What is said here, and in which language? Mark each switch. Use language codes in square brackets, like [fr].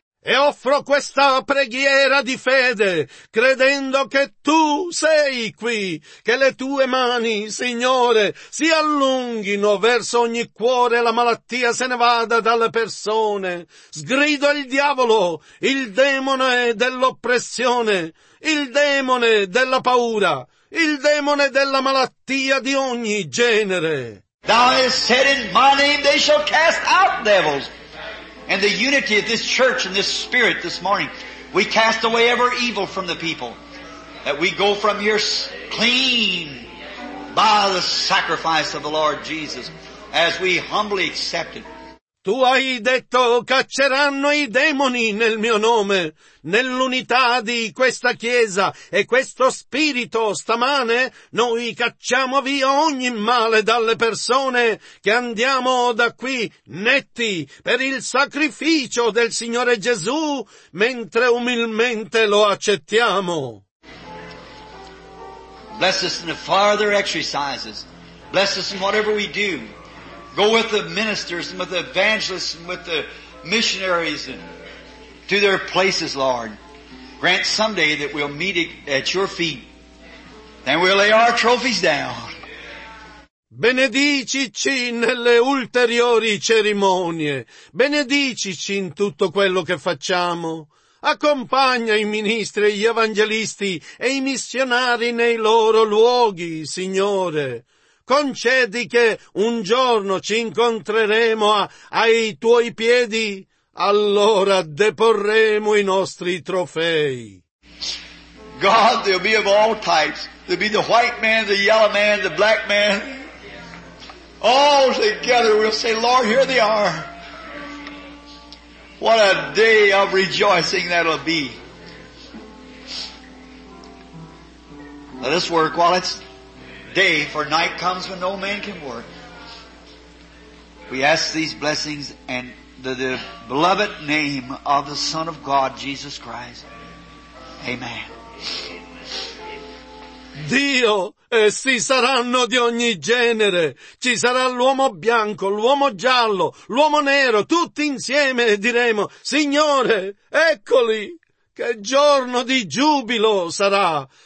[it] e offro questa preghiera di fede, credendo che Tu sei qui, che le Tue mani, Signore, si allunghino verso ogni cuore, la malattia se ne vada dalle persone. Sgrido il diavolo, il demone dell'oppressione, il demone della paura, il demone della malattia di ogni genere. [en] Thou hast said in my name they shall cast out devils. And the unity of this church and this spirit this morning, we cast away every evil from the people. That we go from here clean by the sacrifice of the Lord Jesus as we humbly accept it. [it] Tu hai detto cacceranno i demoni nel mio nome, nell'unità di questa chiesa e questo spirito. Stamane noi cacciamo via ogni male dalle persone che andiamo da qui netti per il sacrificio del Signore Gesù mentre umilmente lo accettiamo. [en] Bless us in the farther exercises. Bless us in whatever we do. Go with the ministers and with the evangelists and with the missionaries and to their places, Lord. Grant someday that we'll meet at your feet and we'll lay our trophies down. [it] Benedicici nelle ulteriori cerimonie. Benedicici in tutto quello che facciamo. Accompagna i ministri, gli evangelisti e i missionari nei loro luoghi, Signore. Concedi che un giorno ci incontreremo ai Tuoi piedi, allora deporremo i nostri trofei. [en] God, they'll be of all types. They'll be the white man, the yellow man, the black man. All together we'll say, Lord, here they are. What a day of rejoicing that'll be. Let us work while it's day, for night comes when no man can work. We ask these blessings in the beloved name of the Son of God, Jesus Christ. Amen. [it] Dio, essi saranno di ogni genere. Ci sarà l'uomo bianco, l'uomo giallo, l'uomo nero. Tutti insieme diremo, Signore, eccoli, che giorno di giubilo sarà.